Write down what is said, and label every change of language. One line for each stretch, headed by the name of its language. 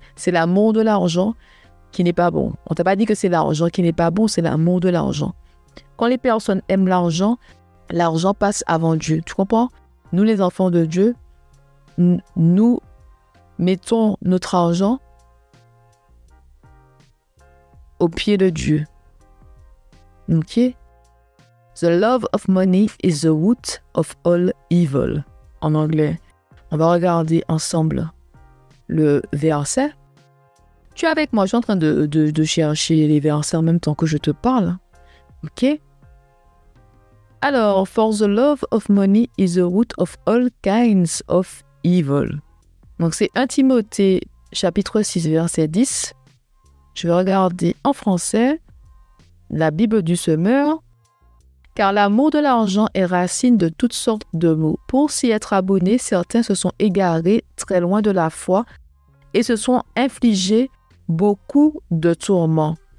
French: C'est l'amour de l'argent qui n'est pas bon. On ne t'a pas dit que c'est l'argent qui n'est pas bon, c'est l'amour de l'argent. Quand les personnes aiment l'argent passe avant Dieu. Tu comprends? Nous, les enfants de Dieu, nous mettons notre argent au pied de Dieu. Ok?
English: The love of money is the root of all evil.
French: En anglais. On va regarder ensemble le verset. Tu es avec moi, je suis en train de chercher les versets en même temps que je te parle. OK?
English: Alors, for the love of money is the root of all kinds of evil.
French: Donc, c'est 1 Timothée, chapitre 6, verset 10. Je vais regarder en français la Bible du semeur. Car l'amour de l'argent est racine de toutes sortes de maux. Pour s'y être abonnés, certains se sont égarés très loin de la foi et se sont infligés beaucoup de tourments.